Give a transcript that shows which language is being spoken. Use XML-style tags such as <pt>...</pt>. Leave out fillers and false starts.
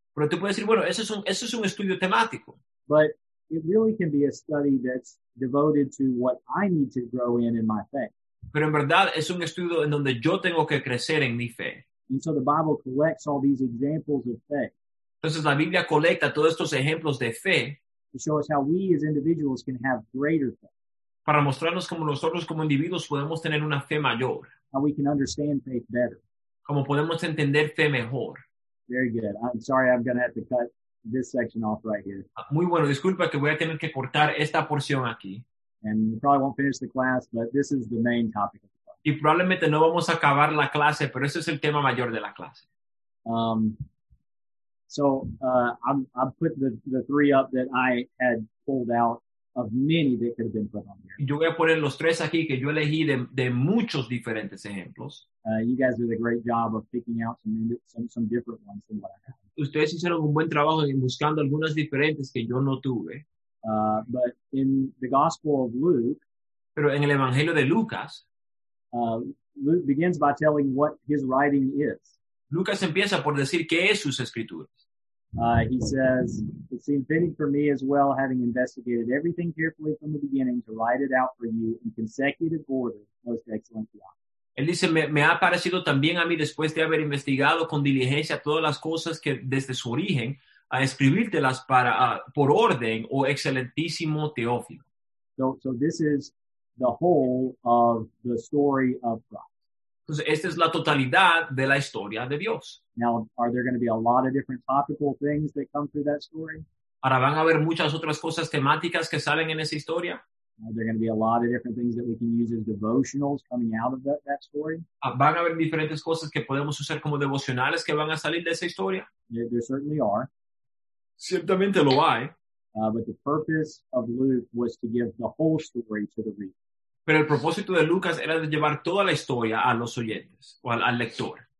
<es>Pero tú puedes decir, bueno, eso es un estudio temático.</es> <en>But it really can be a study that's devoted to what I need to grow in my faith.</en> <es>Pero en verdad es un estudio en donde yo tengo que crecer en mi fe.</es> <en>And so the Bible collects all these examples of faith.</en> <es>Entonces la Biblia colecta todos estos ejemplos de fe.</es> <en>To show us how we as individuals can have greater faith.</en> <es>Para mostrarnos cómo nosotros como individuos podemos tener una fe mayor.</es> <en>How we can understand faith better.</en> <es>Como podemos entender fe mejor.</es> <en>Very good. I'm sorry, I'm going to have to cut this section off right here.</en> <es>Muy bueno, disculpa que voy a tener que cortar esta porción aquí.</es> <en>And we probably won't finish the class, but this is the main topic of the class.</en> <es>Y probablemente no vamos a acabar la clase, pero ese es el tema mayor de la clase.</es> <en>So I put the three up that I had pulled out of many that could have been put on here.</en> <es>Yo voy a poner los tres aquí que yo elegí de muchos diferentes ejemplos.</es> <en>You guys did a great job of picking out some different ones than what I had.</en> <es>Ustedes hicieron un buen trabajo en buscando algunas diferentes que yo no tuve.</es> <en>But in the Gospel of Luke,</en> <es>pero en el Evangelio de Lucas,</es> <en>Luke begins by telling what his writing is.</en> <es>Lucas empieza por decir qué es sus escrituras.</es> <en>He says, it seemed fitting for me as well, having investigated everything carefully from the beginning, to write it out for you in consecutive order, most excellent theology.</en> <es>Él dice, me ha parecido también a mí después de haber investigado con diligencia todas las cosas que desde su origen, a escribírtelas para, por orden, o excelentísimo Teófilo.</es> <en>So this is the whole of the story of Christ.</en> <es>Entonces, esta es la totalidad de la historia de Dios.</es> <en>Now, are there going to be a lot of different topical things that come through that story?</en> <es>Ahora, ¿van a haber muchas otras cosas temáticas que salen en esa historia?</es> <en>Are there going to be a lot of different things that we can use as devotionals coming out of that story?</en> <es>¿Van a haber diferentes cosas que podemos usar como devocionales que van a salir de esa historia?</es> <en>There certainly are.</en> <es>Ciertamente lo hay.</es> <en>But the purpose of Luke was to give the whole story to the reader.</en> <es>Pero el propósito de Lucas era de llevar toda la historia a los oyentes, o al lector.</es>